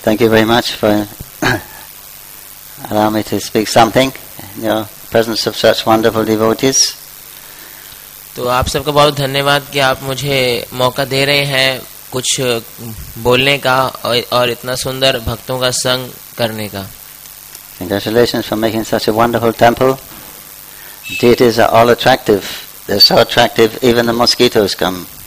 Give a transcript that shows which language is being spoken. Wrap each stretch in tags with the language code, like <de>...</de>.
<en>Thank you very much for allowing me to speak something in your presence of such wonderful devotees.</en> <hi>तो आप सबका बहुत धन्यवाद कि आप मुझे मौका दे रहे हैं कुछ बोलने का और इतना सुंदर भक्तों का संग करने का.</hi> <en>Congratulations for making such a wonderful temple. Deities are all attractive. They're so attractive, even the mosquitoes come.</en>